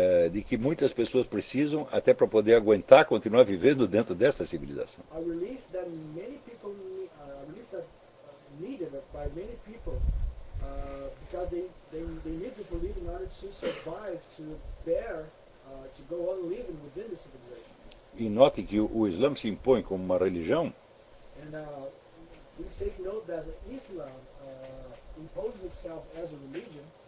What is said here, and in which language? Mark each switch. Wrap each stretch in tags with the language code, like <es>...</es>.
<pt>De que muitas pessoas precisam até para poder aguentar continuar vivendo dentro desta civilização.</pt> <en>A relief that many people need, a relief that needed by many people, because they need this relief in order to survive, to bear. To go on living within the civilization.</en> <pt>E note que o Islã se impõe como uma religião.</pt> <en>And please take note that Islam imposes itself as a religion.</en>